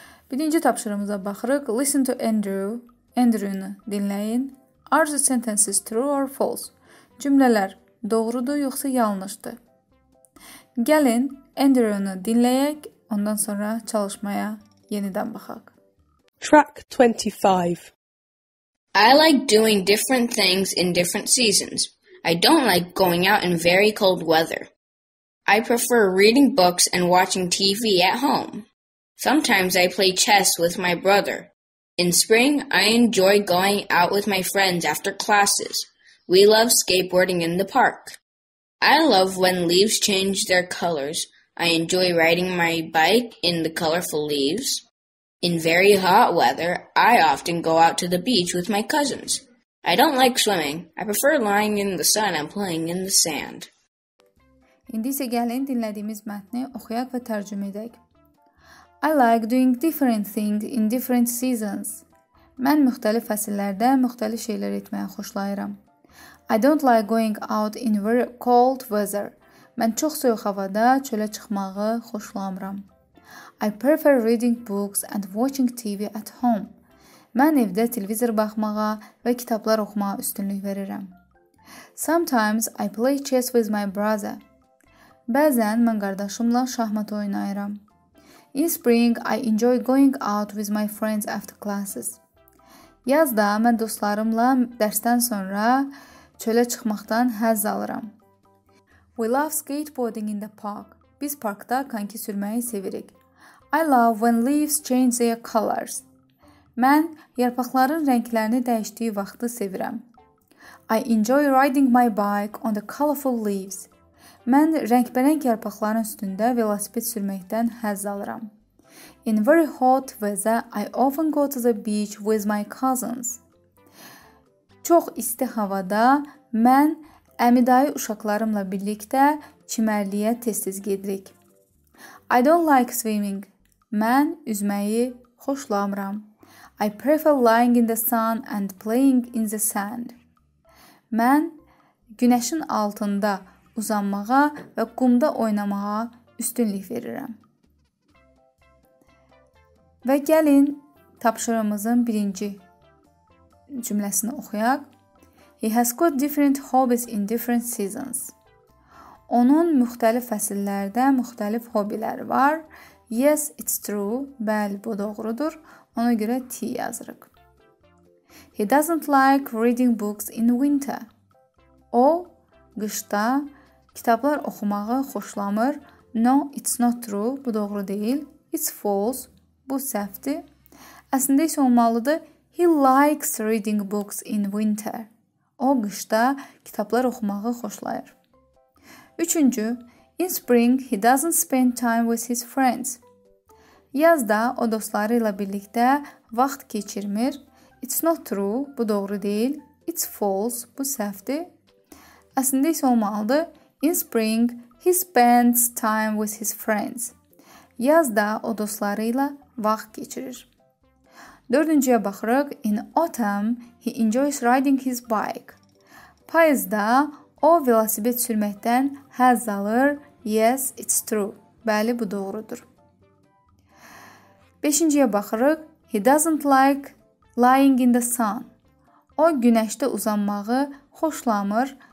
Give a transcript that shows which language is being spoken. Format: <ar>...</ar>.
<az>1-ci tapşırımıza baxırıq.</az> <en>Listen to Andrew.</en> <az>Andrew'nu dinləyin.</az> <en>Are the sentences true or false?</en> <az>Cümlələr doğrudur yoxsa yanlışdır? Gəlin, Andrew'nu dinləyək, ondan sonra çalışmaya yenidən baxaq.</az> <en>Track 25. I like doing different things in different seasons. I don't like going out in very cold weather. I prefer reading books and watching TV at home. Sometimes I play chess with my brother. In spring, I enjoy going out with my friends after classes. We love skateboarding in the park. I love when leaves change their colors. I enjoy riding my bike in the colorful leaves. In very hot weather, I often go out to the beach with my cousins. I don't like swimming. I prefer lying in the sun and playing in the sand.</en> <az>İndi isə gəlin dinlədiyimiz mətni oxuyaq və tərcümə edək.</az> <en>I like doing different things in different seasons.</en> <az>Mən müxtəlif fəsillərdə müxtəlif şeylər etməyi xoşlayıram.</az> <en>I don't like going out in very cold weather.</en> <az>Mən çox soyuq havada çölə çıxmağı xoşlamıram.</az> <en>I prefer reading books and watching TV at home.</en> <az>Mən evdə televizor baxmağa və kitablar oxumağa üstünlük verirəm.</az> <en>Sometimes I play chess with my brother.</en> <az>Bəzən mən qardaşımla şahmat oynayıram.</az> <en>In spring, I enjoy going out with my friends after classes.</en> <az>Yazda mən dostlarımla dərsdən sonra çölə çıxmaqdan həzz alıram.</az> <en>We love skateboarding in the park.</en> <az>Biz parkda konki sürməyi sevirik.</az> <en>I love when leaves change their colors.</en> <az>Mən yarpaqların rənglərini dəyişdiyi vaxtı sevirəm.</az> <en>I enjoy riding my bike on the colorful leaves.</en> <az>Mən rəngbərəng yarpaqların üstündə velosiped sürməkdən həzz alıram.</az> <en>In very hot weather, I often go to the beach with my cousins.</en> <az>Çox isti havada mən əmidayı uşaqlarımla birlikdə çimərliyə tez-tez gedirik.</az> <en>I don't like swimming.</en> <az>Mən üzməyi xoşlamıram.</az> <en>I prefer lying in the sun and playing in the sand.</en> <az>Mən günəşin altında uzanmağa və qumda oynamağa üstünlük verirəm. Və gəlin tapşırımızın birinci cümləsini oxuyaq.</az> <en>He has got different hobbies in different seasons.</en> <az>Onun müxtəlif fəsillərdə müxtəlif hobbiləri var.</az> <en>Yes, it's true.</en> <az>Bəli, bu doğrudur. Ona görə T yazırıq.</az> <en>He doesn't like reading books in winter.</en> <az>O, qışda kitablar oxumağı xoşlamır.</az> <en>No, it's not true.</en> <az>Bu doğru deyil.</az> <en>It's false.</en> <az>Bu səhvdir. Əslində isə olmalıdır.</az> <en>He likes reading books in winter.</en> <az>O, qışda kitablar oxumağı xoşlayır. Üçüncü,</az> <en>in spring, he doesn't spend time with his friends.</en> <az>Yazda o dostları ilə birlikdə vaxt keçirmir.</az> <en>It's not true,</en> <az>bu doğru deyil.</az> <en>It's false,</en> <az>bu səhvdir. Əslində isə olmalıdır.</az> <en>In spring, he spends time with his friends.</en> <az>Yazda o dostları ilə vaxt keçirir. Dördüncüyə baxırıq.</az> <en>In autumn, he enjoys riding his bike.</en> <az>Payızda o velosiped sürməkdən həzz alır.</az> <en>Yes, it's true.</en> <az>Bəli, bu doğrudur. Beşinciyə baxırıq.</az> <en>He doesn't like lying in the sun.</en> <az>O, günəşdə uzanmağı xoşlamır.</az>